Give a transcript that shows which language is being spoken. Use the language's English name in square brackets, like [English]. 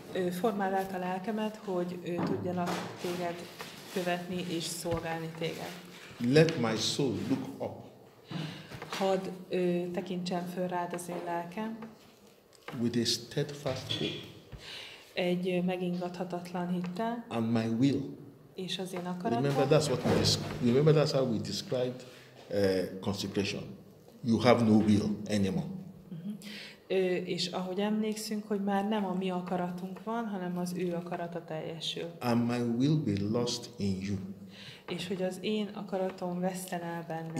[Hungarian] Formáld a lelkemet, hogy ő tudjanak téged követni és szolgálni téged. [English] Let my soul look up. [Hungarian] Hadd tekintsen föl rád az én lelkem. [English] With a steadfast hope. [Hungarian] Egy megingathatatlan hittel. [English] And my will. [Hungarian] És az én akaratom. [English] Remember, that's what we describe. Remember, that's how we described consecration. You have no will anymore. Uh-huh. [Hungarian] És ahogy emlékszünk, hogy már nem a mi akaratunk van, hanem az ő akarata teljesül. [English] And my will be lost in you. [Hungarian] És hogy az én akaratom veszten el benne.